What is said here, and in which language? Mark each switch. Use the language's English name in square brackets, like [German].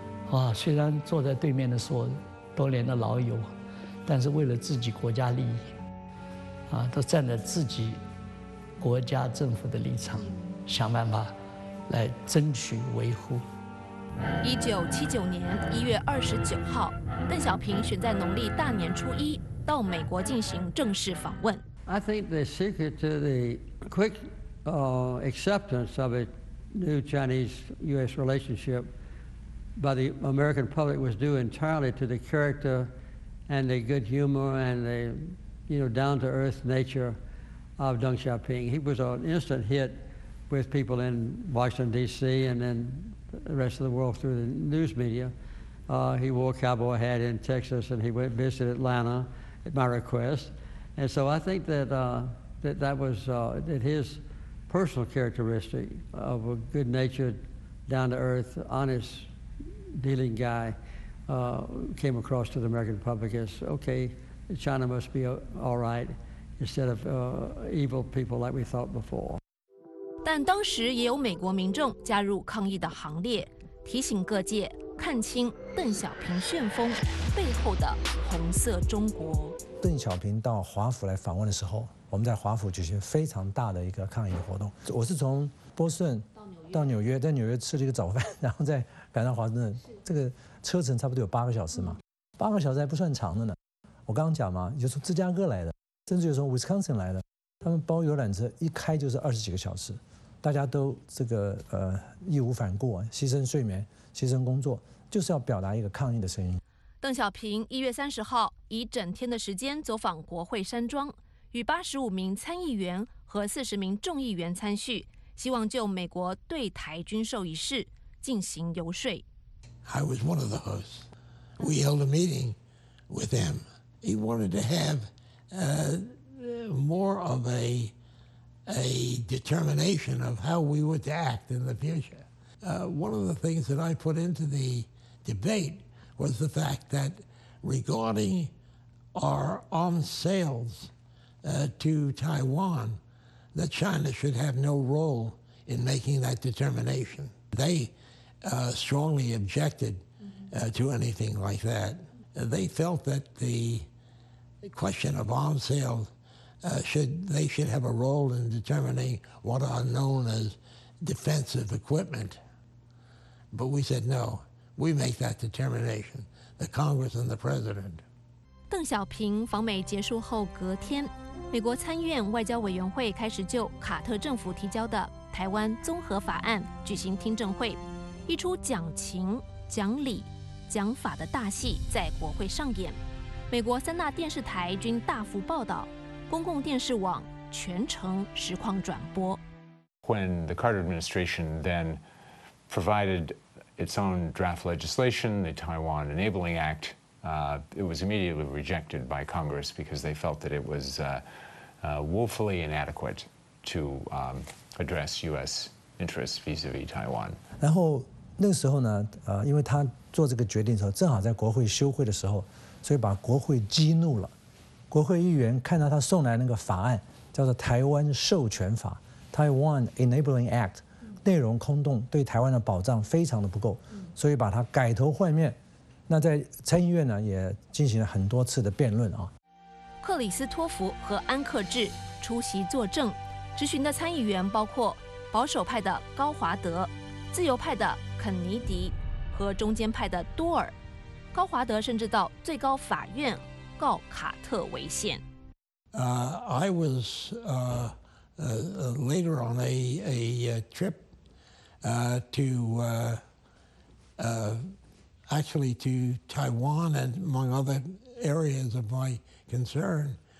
[Chinese] 哇，虽然坐在对面的是我多年的老友，但是为了自己国家利益啊，都站在自己国家政府的立场，想办法来争取维护 1979年1月29号，邓小平选在农历大年初一到美国进行正式访问。 [English] I think the secret to the quick acceptance of a new Chinese-U.S. relationship by the American public was due entirely to the character and the good humor and the, you know, down-to-earth nature of Deng Xiaoping. He was an instant hit with people in Washington, D.C. and then the rest of the world through the news media. He wore a cowboy hat in Texas and he went visit Atlanta at my request. And so I think that that his personal characteristic of a good-natured, down-to-earth, honest dealing guy came across to the American public as, okay, China must be all right, instead of evil people like we thought before. [Chinese] 但当时也有美国民众加入抗议的行列，提醒各界看清邓小平旋风背后的红色中国。邓小平到华府来访问的时候，我们在华府举行非常大的一个抗议活动。我是从波士顿到纽约，在纽约吃了一个早饭，然后再赶到华盛顿。这个车程差不多有8个小时嘛，8个小时还不算长的呢。我刚刚讲嘛，有从芝加哥来的，甚至有从 Wisconsin 来的，他们包游览车一开就是20几个小时，大家都这个义无反顾，牺牲睡眠，牺牲工作，就是要表达一个抗议的声音。邓小平1月30号以整天的时间走访国会山庄，与85名参议员和40名众议员参叙，希望就美国对台军售一事进行游说。 [English] I was one of the hosts. We held a meeting with him. He wanted to have more of a determination of how we were to act in the future. One of the things that I put into the debate. Was the fact that regarding our arms sales to Taiwan, that China should have no role in making that determination. They strongly objected to anything like that. They felt that the question of arms sales, they should have a role in determining what are known as defensive equipment. But we said no. We make that determination, the Congress and the President. [Chinese] 邓小平访美结束后隔天，美国参议院外交委员会开始就卡特政府提交的台湾综合法案举行听证会，一出讲情、讲理、讲法的大戏在国会上演。美国三大电视台均大幅报道，公共电视网全程实况转播。 [English] When the Carter administration then provided. Its own draft legislation, the Taiwan Enabling Act, it was immediately rejected by Congress because they felt that it was woefully inadequate to address U.S. interests vis-à-vis Taiwan. [Chinese] 然后那个时候呢，因为他做这个决定的时候，正好在国会休会的时候，所以把国会激怒了。国会议员看到他送来那个法案，叫做《台湾授权法》（Taiwan Enabling Act）。内容空洞，对台湾的保障非常的不够，所以把它改头换面。那在参议院呢，也进行了很多次的辩论啊。克里斯托弗和安克智出席作证，质询的参议员包括保守派的高华德、自由派的肯尼迪和中间派的多尔。高华德甚至到最高法院告卡特违宪。 [English] Later on a trip to Taiwan and among other areas of my concern.